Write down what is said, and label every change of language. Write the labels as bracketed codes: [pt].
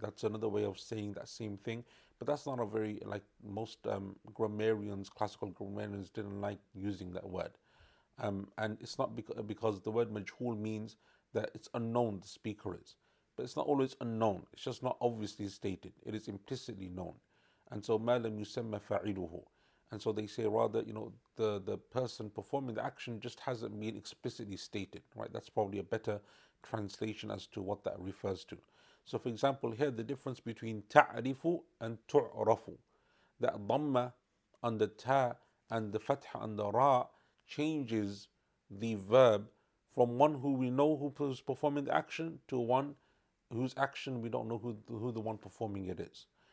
[en] That's another way of saying that same thing. But that's not a very, like most classical grammarians didn't like using that word. And it's not because the word majhul means that it's unknown, the speaker is. But it's not always unknown. It's just not obviously stated. It is implicitly known. And so, [ar] ما لم يسمى فاعله. [en] And so they say rather, you know, the person performing the action just hasn't been explicitly stated, right? That's probably a better translation as to what that refers to. So for example, here the difference between تعرف and تعرف, that ضمة on the ta and the فتح on the ra changes the verb from one who we know who is performing the action to one whose action we don't know who the one performing it is.